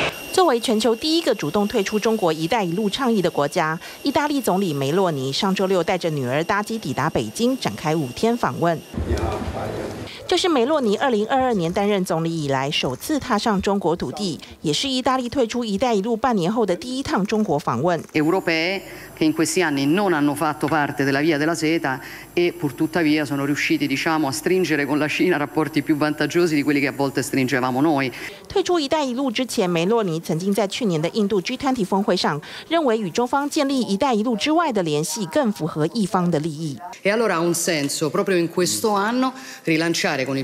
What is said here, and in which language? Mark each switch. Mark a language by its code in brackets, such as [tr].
[zh] 作为全球第一个主动退出中国“一带一路”倡议的国家，意大利总理梅洛尼上周六带着女儿搭机抵达北京，展开5天访问。这是梅洛尼2022年担任总理以来首次踏上中国土地，也是意大利退出“一带一路”半年后的第一趟中国访问。 [it] Europee che in questi anni non hanno fatto parte della Via della Seta e pur tuttavia sono riusciti, diciamo, a stringere con la Cina rapporti più vantaggiosi di quelli che a volte stringevamo noi。 [zh] 退出“一带一路”之前，梅洛尼曾经在去年的印度 G20 峰会上认为与中方建立“一带一路”之外的联系更符合一方的利益。 [it] E allora ha un senso proprio in questo anno rilanciare。